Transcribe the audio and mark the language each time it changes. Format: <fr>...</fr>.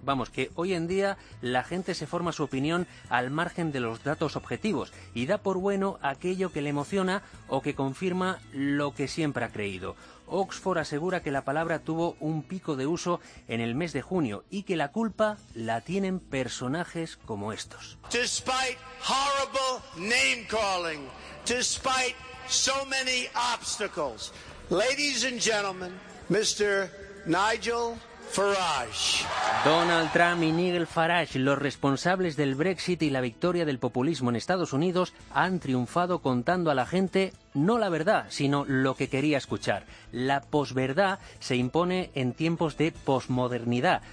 <es>Vamos, que hoy en día la gente se forma su opinión al margen de los datos objetivos y da por bueno aquello que le emociona o que confirma lo que siempre ha creído. Oxford asegura que la palabra tuvo un pico de uso en el mes de junio y que la culpa la tienen personajes como estos.</es> <en>Despite horrible name calling, despite so many obstacles, ladies and gentlemen, Mr. Nigel Farage.</en> <es>Donald Trump y Nigel Farage, los responsables del Brexit y la victoria del populismo en Estados Unidos, han triunfado contando a la gente no la verdad, sino lo que quería escuchar. La posverdad se impone en tiempos de posmodernidad.</es>